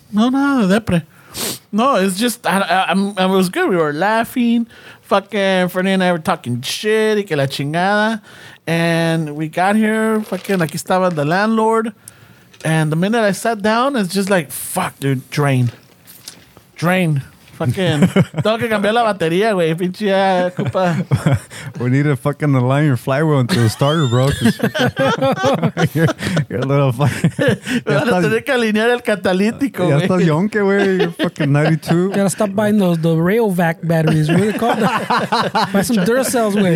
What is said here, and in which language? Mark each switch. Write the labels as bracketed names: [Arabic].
[English] No, depre. No, it's just... I was good. We were laughing... Fucking Fernie and I were talking shit, [Spanish] y que la chingada. [English] And we got here, fucking, [Spanish] aquí estaba [English] the landlord. And the minute I sat down, it's just like, fuck, dude, drain. [Spanish] Fucking, tengo que cambiar la batería, güey, pinche culpa. [English] We need to fucking align your flywheel into the starter, bro. you're a little fucking. [Spanish] Me van a tener que alinear el catalítico, güey. Ya estás yonque, güey. [English] You're fucking 92. Gotta stop buying those Rayovac batteries. What do you call that? Buy some Duracells, güey.